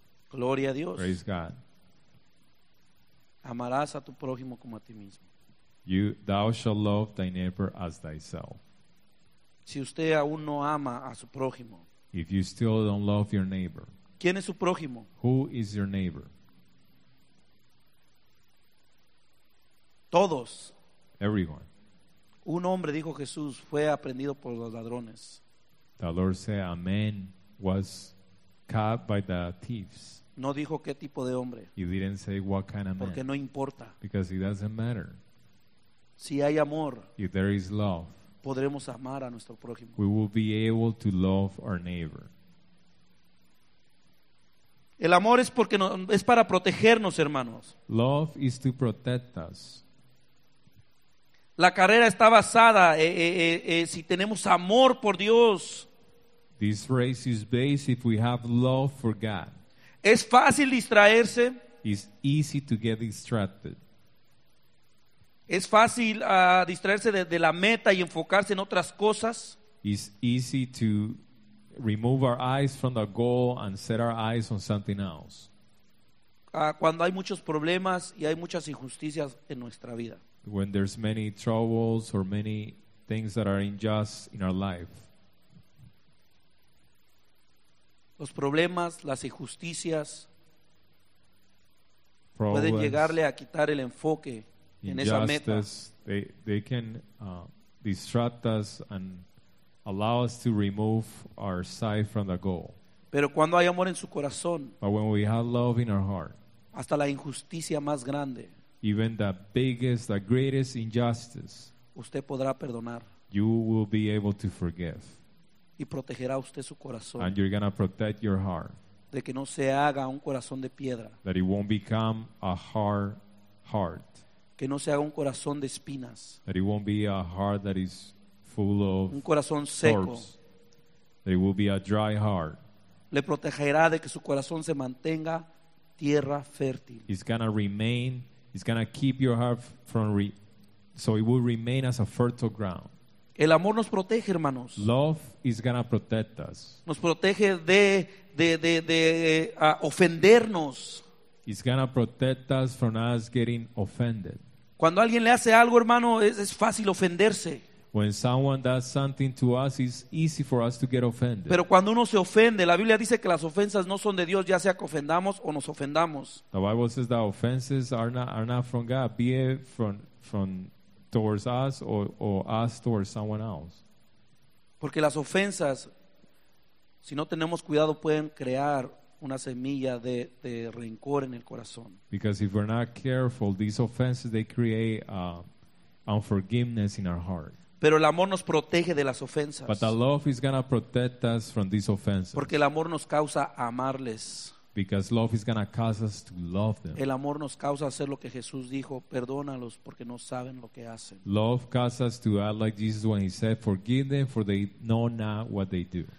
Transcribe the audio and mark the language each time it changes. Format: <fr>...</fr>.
<es>Gloria a Dios.</es> <en>Praise God.</en> <es>Amarás a tu prójimo como a ti mismo.</es> <en>Thou shalt love thy neighbor as thyself.</en> <es>Si usted aún no ama a su prójimo.</es> <en>If you still don't love your neighbor.</en> <es>¿Quién es su prójimo?</es> <en>Who is your neighbor?</en> <es>Todos.</es> <en>Everyone.</en> <es>Un hombre, dijo Jesús, fue aprendido por los ladrones.</es> <en>The Lord said, a man was caught by the thieves.</en> <es>No dijo qué tipo de hombre.</es> <en>He didn't say what kind of man.</en> <es>Porque no importa.</es> <en>Because it doesn't matter.</en> <es>Si hay amor,</es> <en>if there is love,</en> <es>podremos amar a nuestro prójimo.</es> <en>We will be able to love our neighbor.</en> <es>El amor es porque es para protegernos, hermanos.</es> <en>Love is to protect us.</en> <es>La carrera está basada si tenemos amor por Dios.</es> <en>This race is based if we have love for God.</en> <es>Es fácil distraerse.</es> <en>It's easy to get distracted.</en> <es>Es fácil distraerse de la meta y enfocarse en otras cosas.</es> <en>It's easy to remove our eyes from the goal and set our eyes on something else.</en> <es>Cuando hay muchos problemas y hay muchas injusticias en nuestra vida.</es> <en>When there's many troubles or many things that are unjust in our life.</en> <es>Los problemas, las injusticias pueden llegarle a quitar el enfoque en esa meta.</es> <en>They can distract us and allow us to remove our sight from the goal.</en> <es>Pero cuando hay amor en su corazón,</es> <en>but when we have love in our heart,</en> <es>hasta la injusticia más grande,</es> <en>even the biggest, the greatest injustice,</en> <es>usted podrá perdonar.</es> <en>You will be able to forgive.</en> <es>y protegerá usted su corazón.</es> <en>And you're going to protect your heart.</en> <es>De que no se haga un corazón de piedra.</es> <en>That it won't become a hard heart.</en> <es>Que no se haga un corazón de espinas.</es> <en>That it won't be a heart that is full of</en> <es>un corazón seco.</es> <en>Thorns. That it will be a dry heart.</en> <es>Le protegerá de que su corazón se mantenga tierra fértil.</es> <en>It's going to remain, it's going to keep your heart from so it will remain as a fertile ground.</en> <es>El amor nos protege, hermanos.</es> <en>Love is going to protect us.</en> <es>Nos protege de ofendernos.</es> <en>It's going to protect us from us getting offended.</en> <es>Cuando alguien le hace algo, hermano, es fácil ofenderse.</es> <en>When someone does something to us, it's easy for us to get offended.</en> <es>Pero cuando uno se ofende, la Biblia dice que las ofensas no son de Dios, ya sea que ofendamos o nos ofendamos.</es> <en>The Bible says that offenses are not from God, be it from towards us or us towards someone else.</en> <es>Porque las ofensas, si no tenemos cuidado, pueden crear una semilla de rencor en el corazón.</es> <en>Because if we're not careful, these offenses, they create unforgiveness in our heart.</en> <es>Pero el amor nos protege de las ofensas.</es> <en>But the love is going to protect us from these offenses.</en> <es>Porque el amor nos causa amarles.</es> <en>Because love is going to cause us to love them.</en> <es>El amor nos causa hacer lo que Jesús dijo, perdónalos porque no saben lo que hacen.</es> <en>Love causes us to act like Jesus when he said, forgive them for they know not what they do.</en>